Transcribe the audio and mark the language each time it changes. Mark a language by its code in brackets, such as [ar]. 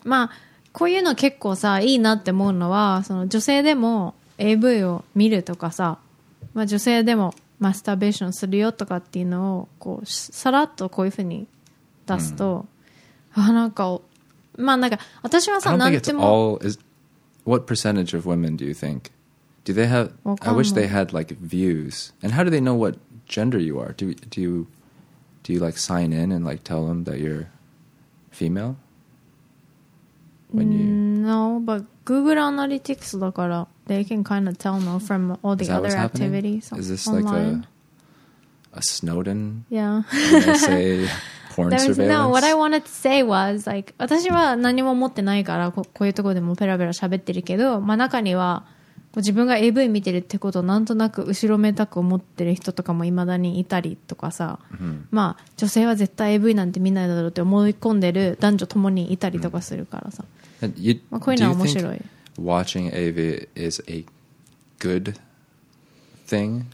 [ja] まあ、こういうの結構さ、いいなって思うのは、その女性でも AV を見るとかさ、まあ女性でもマスターベーションするよとかっていうのを、こう、さらっとこういうふうに出すと、mm. あ、なんか、まあなんか、私はさ、なんでも。 [en] I don't think it's all, what percentage of women do you think? Do they have, I wish they had like views. And how do they know what,gender you are do you like sign in and like tell them that you're female when you no but Google Analytics だから they can kind of tell no from all the other activities is this online? Like a Snowden yeah say porn surveillance no what I wanted to say was like [ja] 私は何も持ってないからこういうところでもペラペラ喋ってるけど、まあ、中には自分が AV 見てるってことをなんとなく後ろめたく思ってる人とかも未だにいたりとかさ、 mm-hmm. まあ女性は絶対 AV なんて見ないだろうって思い込んでる男女ともにいたりとかするからさ、 [en] mm-hmm. and you, [ja] まあ、こういうのは面白い [en] Do you think watching AV is a good thing?